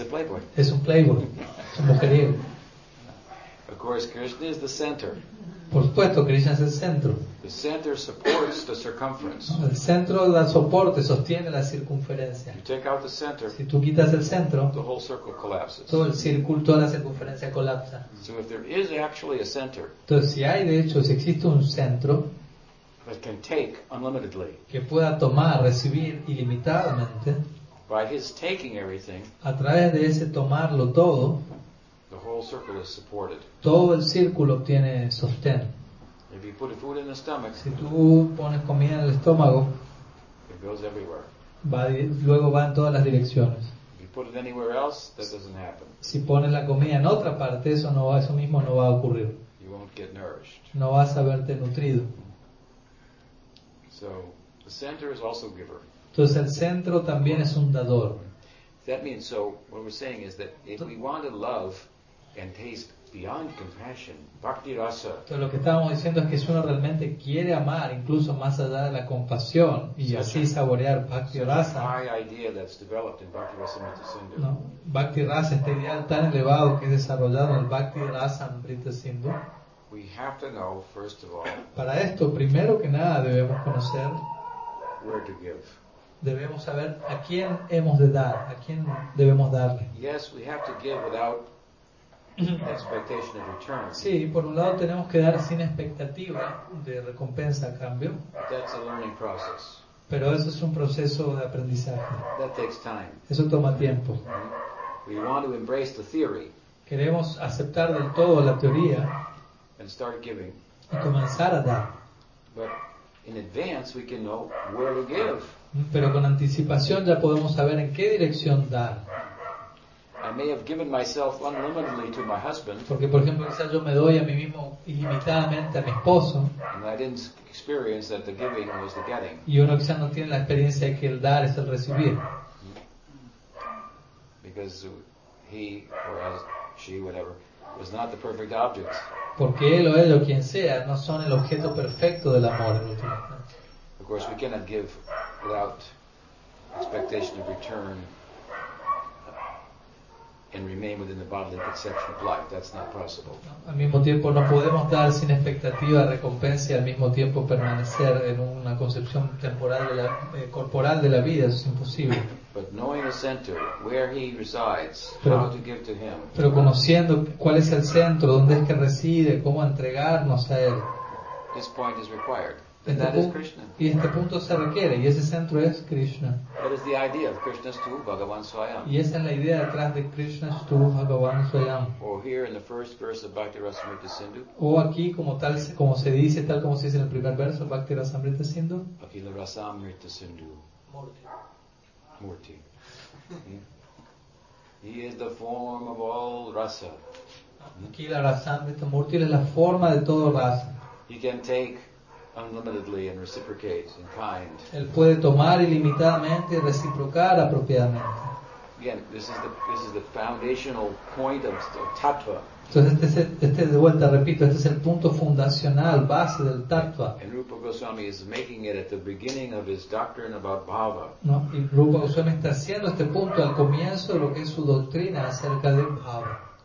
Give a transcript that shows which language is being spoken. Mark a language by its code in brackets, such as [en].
[es] un playboy, es un mujeriego. [en] Of course, Krishna is the center. [es] Por supuesto, Krishna es el centro. [en] The center supports the circumference. [es] No, el centro da soporte, sostiene la circunferencia. [en] You take out the center, [es] si tú quitas el centro, [en] the whole circle collapses. [es] Todo el círculo, toda la circunferencia colapsa. [en] So if there is actually a center, [es] entonces si hay de hecho, si existe un centro, [en] that can take unlimitedly, [es] que pueda tomar, recibir ilimitadamente, [en] by his taking everything, [es] a través de ese tomarlo todo, [en] the whole circle is supported. [es] Todo el círculo obtiene sostén. [en] If you put food in the stomach, [es] si tú pones comida en el estómago, [en] it goes everywhere. [es] Luego va en todas las direcciones. [en] If you put it anywhere else, that doesn't happen. [es] Si pones la comida en otra parte, eso mismo no va a ocurrir. [en] You won't get nourished. [es] No vas a verte nutrido. [en] So, the center is also a giver. [es] Entonces el centro también es un dador. [en] That means, so what we're saying is that if we want to love and taste beyond compassion, bhakti rasa. [es] Entonces lo que estábamos diciendo es que si uno realmente quiere amar incluso más allá de la compasión y así saborear bhakti rasa. [en] High idea that's developed in Bhakti Rasamrita Sindhu. [es] No, bhakti rasa, este ideal tan elevado que es desarrollado en el Bhakti-rasamrita Sindhu. [en] We have to know first of all. [es] Para esto, primero que nada, debemos conocer. [en] Where to give. [es] Debemos saber a quién hemos de dar, a quién debemos darle. [en] Yes, we have to give without expectation of return. [es] Sí, por un lado tenemos que dar sin expectativa de recompensa a cambio. [en] That's a learning process. [es] Pero eso es un proceso de aprendizaje. [en] That takes time. [es] Eso toma tiempo. [en] We want to embrace the theory. [es] Queremos aceptar del todo la teoría. [en] And start giving. [es] Y comenzar a dar. [en] But in advance we can know where to give. [es] Pero con anticipación ya podemos saber en qué dirección dar. [en] I may have given myself unlimitedly to my husband. [es] Porque por ejemplo, quizás yo me doy a mí mismo ilimitadamente a mi esposo. [en] And I didn't experience that the giving was the getting. [es] Y uno quizás no tiene la experiencia de que el dar es el recibir. [en] Because he or she, whatever, was not the perfect object. [es] Porque él o ella o quien sea no son el objeto perfecto del amor en última instancia. [en] Of course, we cannot give without expectation of return and remain within the bodily conception of life. That's not possible. [es] Al mismo tiempo, no podemos dar sin expectativa de recompensa y al mismo tiempo permanecer en una concepción temporal de la, corporal de la vida. Eso es imposible. [en] But knowing the center, where he resides, how to give to him. [es] Pero conociendo cuál es el centro, dónde es que reside, cómo entregarnos a él. [en] This point is required. [es] Y este punto se requiere y ese centro es Krishna. [en] That is the idea of Krishna Stu Bhagavan Swayam. [es] Y esa es la idea detrás de Krishna Stu Bhagavan Swayam. [en] Or here in the first verse of Bhakti-rasamrita Sindhu. [es] O aquí como tal como se dice tal como se dice en el primer verso Bhakti-rasamrita Sindhu. Bhakti-rasamrita Sindhu. Murti. [en] He is the form of all rasa. [es] Bhakti-rasamrita Murti es la forma de todo rasa. [en] He can take unlimitedly and reciprocate in kind. [es] Él puede tomar ilimitadamente y reciprocar apropiadamente. [en] Again, this is the foundational point of tattva. [es] Entonces este de vuelta repito, este es el punto fundacional base del tattva. [en] And Rupa Goswami is making it at the beginning of his doctrine about bhava. [es] No, y Rupa Goswami está haciendo este punto al comienzo de lo que es su doctrina acerca de bhava.